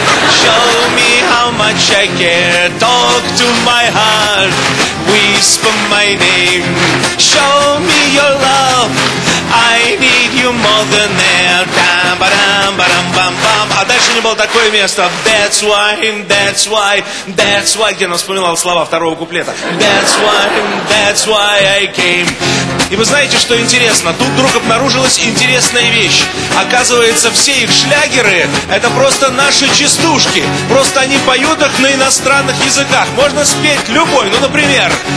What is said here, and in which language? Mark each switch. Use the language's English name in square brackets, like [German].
[English] Show me how much I care. Talk to my heart. Whisper my name. Show me your love. I need you more than air. [Russian] Ба-дам-ба-дам-ба-дам-бам-бам. А дальше не было такое место. [English] That's why, that's why, that's why. [Russian] Где она вспоминала слова второго куплета? [English] That's why I came. [Russian] И вы знаете, что интересно? Тут вдруг обнаружилась интересная вещь. Оказывается, все их шлягеры — это просто наши частушки. Просто они поют их на иностранных языках. Можно спеть любой, ну, например.